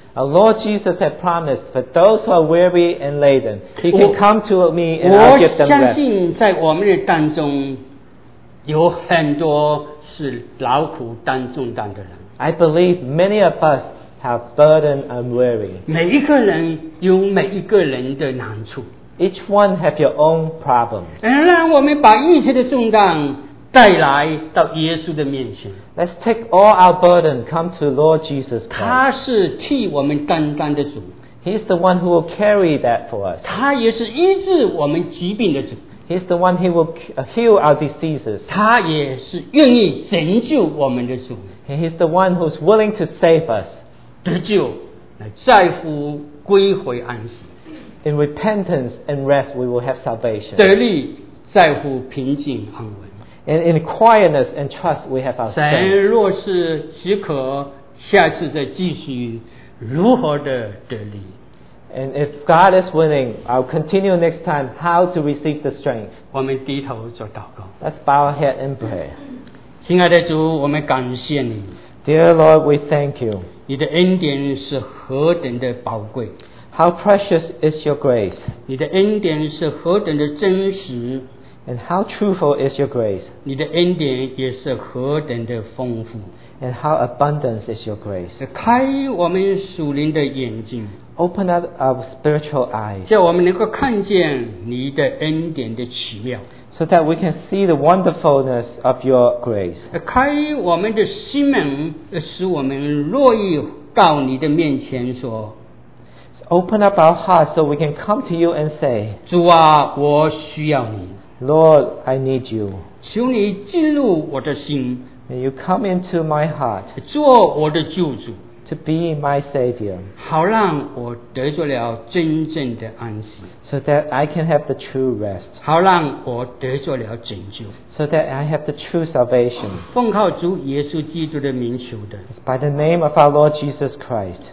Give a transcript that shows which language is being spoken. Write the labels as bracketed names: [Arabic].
[English] Our Lord Jesus had promised, for those who are weary and laden, He can come to me and I'll give them rest. [Chinese] 我相信在我们的当中，有很多是劳苦担重担的人。 [English] I believe many of us have burden and weary. [Chinese] 每一个人有每一个人的难处。 [English] Each one have your own problem. [Chinese] 让我们把一切的重担带来到耶稣的面前。 [English] Let's take all our burden, come to Lord Jesus Christ. [Chinese] 他是替我们担当的主。 [English] He's the one who will carry that for us. [Chinese] 他也是医治我们疾病的主。 [English] He's the one who will heal our diseases. [Chinese] 他也是愿意拯救我们的主。 [English] He's the one who's willing to save us. [Chinese] 得救，在乎归回安息。 [English] In repentance and rest, we will have salvation. [Chinese] 得力在乎平静安稳。 [English] And in quietness and trust, we have our strength. [Chinese] 神若是许可，下次再继续如何的得力。 [English] And if God is willing, I'll continue next time how to receive the strength. [Chinese] 我们低头做祷告。 [English] Let's bow our head and pray. [Chinese] 亲爱的主，我们感谢你。 [English] Dear Lord, we thank you. [Chinese] 你的恩典是何等的宝贵。 [English] How precious is your grace? [Chinese] 你的恩典是何等的真实? [English] And how truthful is your grace? [Chinese] 你的恩典也是何等的丰富? [English] And how abundant is your grace? [Chinese] 开我们属灵的眼睛, [English] open up our spiritual eyes, [Chinese] 叫我们能够看见你的恩典的奇妙, [English] so that we can see the wonderfulness of your grace. [Chinese] 开我们的心门, 使我们乐意到你的面前说, [English] open up our hearts so we can come to you and say, [Chinese] 主啊，我需要你。 [English] Lord, I need you. [Chinese] 求你进入我的心。 [English] May you come into my heart. [Chinese] 做我的救主。 [English] To be my Savior. [Chinese] 好让我得着了真正的安息。 [English] So that I can have the true rest. [Chinese] 好让我得着了拯救。 [English] So that I have the true salvation. [Chinese] 奉靠主耶稣基督的名求的。 [English] By the name of our Lord Jesus Christ.